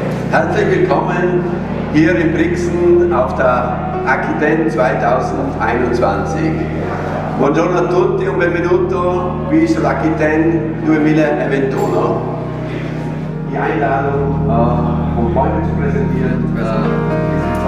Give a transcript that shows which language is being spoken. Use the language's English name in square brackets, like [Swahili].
[German] Herzlich willkommen hier in Brixen auf der Architect 2021. [Italian] Buongiorno a tutti und benvenuto qui sull'Architect 2021. [German] Die Einladung um heute zu präsentieren.